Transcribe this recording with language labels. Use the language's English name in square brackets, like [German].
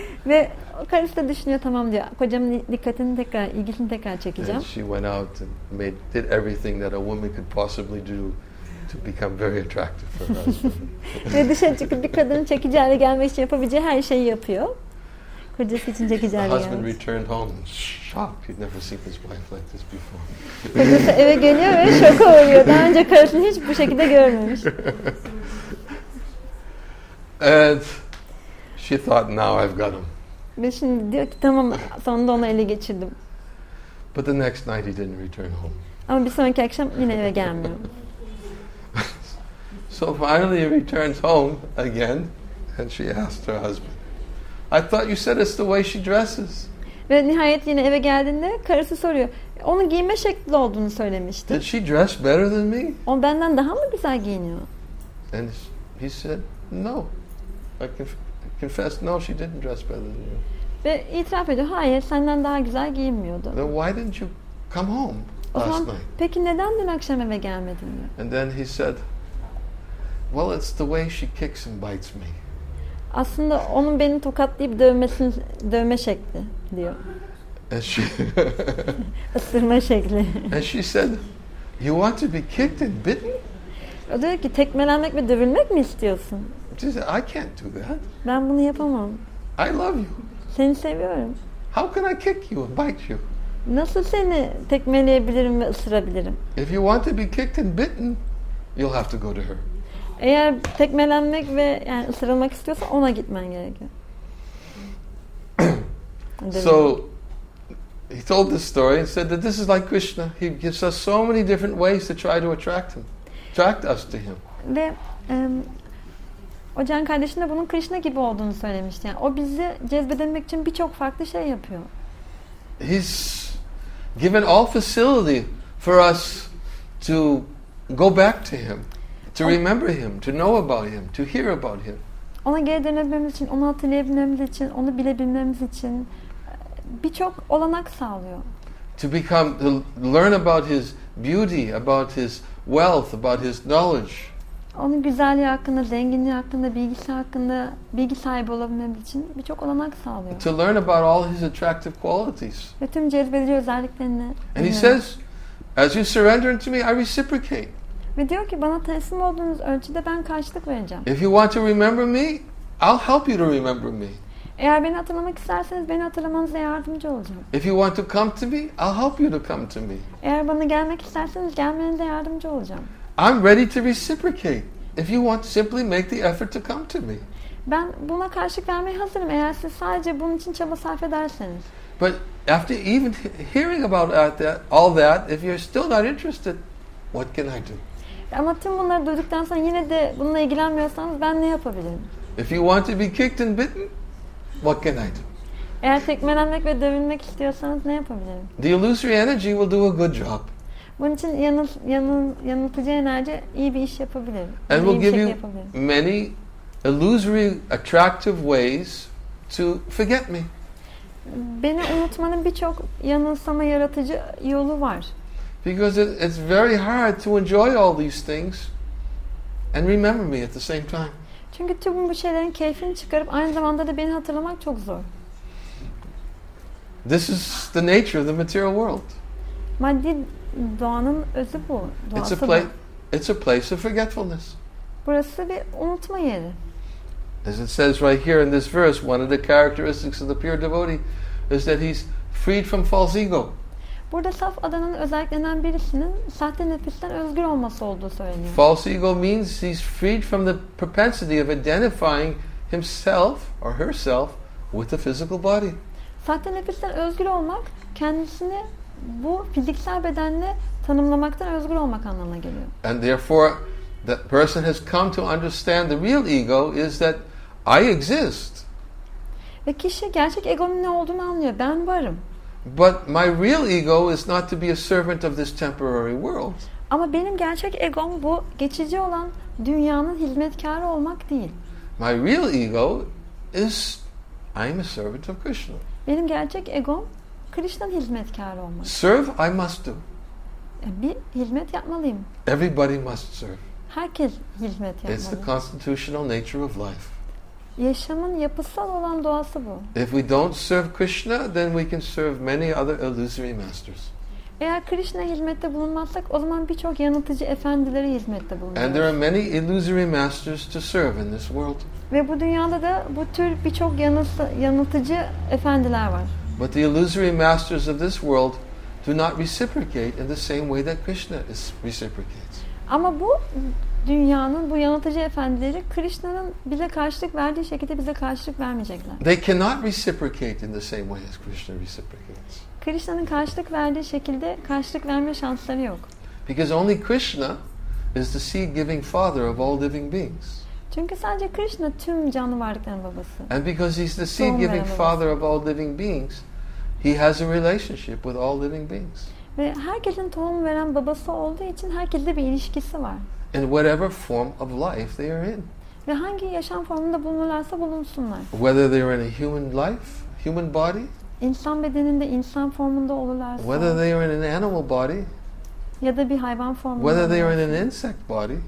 [Turkish] Ve karısı da düşünüyor, tamam diyor, kocamın dikkatini tekrar, ilgisini tekrar çekeceğim. [English] And she went out and did everything that a woman could possibly do to become very attractive for her husband. [Turkish] Ve dışarı çıkıp bir kadının çekici hale gelmek için yapabileceği her şeyi yapıyor. Kocası için çekici hale geldi. [English] Husband returned home shocked. He'd never seen his wife like this before. [Turkish] Kocası eve geliyor ve şok oluyor. Daha önce karısını hiç bu şekilde görmemiş. [English] And she thought, "Now I've got him." [Turkish] Ve şimdi diyor ki, tamam, sonunda onu ele geçirdim. [English] But the next night he didn't return home. [Turkish] Ama bir sonraki akşam yine eve gelmiyor. [English] So finally he returns home again and she asked her husband, "I thought you said it's the way she dresses." [Turkish] Ve nihayet yine eve geldiğinde karısı soruyor, onun giyinme şekli olduğunu söylemişti. [English] "Did she dress better than me?" [Turkish] O benden daha mı güzel giyiniyor? [English] And he said, "No, I confess, no, she didn't dress better than you." [Turkish] Ve itiraf ediyor, hayır, senden daha güzel giyinmiyordu. [English] "Then why didn't you come home last [Turkish] zaman, [English] night?" [Turkish] Peki neden dün akşam eve gelmedin? [English] And then he said, "Well, it's the way she kicks and bites me." [Turkish] Aslında onun beni tokatlayıp dövmesini, dövme şekli diyor. [English] And she [Turkish] ısırma şekli. [English] And she said, "You want to be kicked and bitten?" [Turkish] O diyor ki, tekmelenmek ve dövülmek mi istiyorsun? [English] She said, "I can't do that." [Turkish] Ben bunu yapamam. [English] "I love you." [Turkish] Seni seviyorum. [English] "How can I kick you and bite you?" [Turkish] Nasıl seni tekmeleyebilirim ve ısırabilirim? [English] "If you want to be kicked and bitten, you'll have to go to her." [Turkish] Eğer tekmelenmek ve yani ısırılmak istiyorsa ona gitmen gerekiyor. [English] So he told this story and said that this is like Krishna. He gives us so many different ways to try to attract him, attract us to him. [Turkish] Ve o can kardeşin de bunun Krishna gibi olduğunu söylemişti. Yani o bizi cezbedilmek için birçok farklı şey yapıyor. [English] He's given all facility for us to go back to him. To remember him, to know about him, to hear about him. [Turkish] Ona geri dönebilmemiz için, onu hatırlayabilmemiz için, onu bilebilmemiz için birçok olanak sağlıyor. [English] To become, to learn about his beauty, about his wealth, about his knowledge. [Turkish] Onun güzelliği hakkında, zenginliği hakkında, bilgisi hakkında, bilgi sahibi olabilmemiz için birçok olanak sağlıyor. [English] To learn about all his attractive qualities. [Turkish] Ve tüm cezbedici özelliklerini. [English] And [Turkish] bilmiyorum. [English] He says, "As you surrender to me, I reciprocate." [Turkish] Ve diyor ki, bana teslim olduğunuz ölçüde ben karşılık vereceğim. [English] If you want to remember me, I'll help you to remember me. [Turkish] Eğer beni hatırlamak isterseniz beni hatırlamanıza yardımcı olacağım. [English] If you want to come to me, I'll help you to come to me. [Turkish] Eğer bana gelmek isterseniz gelmenize yardımcı olacağım. [English] I'm ready to reciprocate if you want to simply make the effort to come to me. [Turkish] Ben buna karşılık vermeye hazırım eğer siz sadece bunun için çaba sarf ederseniz. [English] But after even hearing about that, all that, if you're still not interested, what can I do? [Turkish] Ama tüm bunları duyduktan sonra yine de bununla ilgilenmiyorsanız ben ne yapabilirim? [English] If you want to be kicked and bitten, what can I do? [Turkish] Eğer tekmelenmek ve dövünmek istiyorsanız ne yapabilirim? [English] The illusory energy will do a good job. [Turkish] Bunun için yanıltıcı enerji iyi bir iş yapabilir. [English] And will give you many illusory attractive ways to forget me. [Turkish] Beni unutmanın birçok yanılsama yaratıcı yolu var. [English] Because it's very hard to enjoy all these things and remember me at the same time. [Turkish] Çünkü tüm bu şeylerin keyfini çıkarıp aynı zamanda da beni hatırlamak çok zor. [English] This is the nature of the material world. [Turkish] Maddi doğanın özü bu. [English] It's a place of forgetfulness. [Turkish] Burası bir unutma yeri. [English] As it says right here in this verse, one of the characteristics of the pure devotee is that he's freed from false ego. [Turkish] Burada saf adanın özelliklerinden birisinin sahte nefisten özgür olması olduğu söyleniyor. [English] False ego means he's freed from the propensity of identifying himself or herself with the physical body. [Turkish] Sahte nefisten özgür olmak, kendisini bu fiziksel bedenle tanımlamaktan özgür olmak anlamına geliyor. [English] And therefore, that person has come to understand the real ego is that I exist. [Turkish] Ve kişi gerçek egonun ne olduğunu anlıyor. Ben varım. [English] But my real ego is not to be a servant of this temporary world. [Turkish] Ama benim gerçek egom bu geçici olan dünyanın hizmetkarı olmak değil. [English] My real ego is I am a servant of Krishna. [Turkish] Benim gerçek egom Krishna'nın hizmetkarı olmak. [English] Serve I must do. [Turkish] Bir hizmet yapmalıyım. [English] Everybody must serve. [Turkish] Herkes hizmet yapmalı. [English] It's the constitutional nature of life. [Turkish] Yaşamın yapısal olan doğası bu. [English] If we don't serve Krishna, then we can serve many other illusory masters. [Turkish] Eğer Krishna hizmette bulunmazsak, o zaman birçok yanıltıcı efendileri hizmette bulunuyoruz. [English] And there are many illusory masters to serve in this world. [Turkish] Ve bu dünyada da bu tür birçok yanıltıcı efendiler var. [English] But the illusory masters of this world do not reciprocate in the same way that Krishna is reciprocates. [Turkish] Ama bu dünyanın bu yanıltıcı efendileri Krishna'nın bize karşılık verdiği şekilde bize karşılık vermeyecekler. [English] They cannot reciprocate in the same way as Krishna reciprocates. [Turkish] Krishna'nın karşılık verdiği şekilde karşılık verme şansları yok. [English] Because only Krishna is the seed-giving father of all living beings. [Turkish] Çünkü sadece Krishna tüm canlı varlıkların babası. [English] And because he's the seed-giving father of all living beings, he has a relationship with all living beings. [Turkish] Ve herkesin tohum veren babası olduğu için herkesle bir ilişkisi var. [English] In whatever form of life they are in. [Turkish] Ve hangi yaşam formunda bulunurlarsa bulunsunlar. [English] Whether they are in a human life, human body. [Turkish] İnsan bedeninde insan formunda olurlarsa. [English] Whether they are in an animal body. [Turkish] Ya da bir hayvan formunda. [English] Whether they are in an insect body.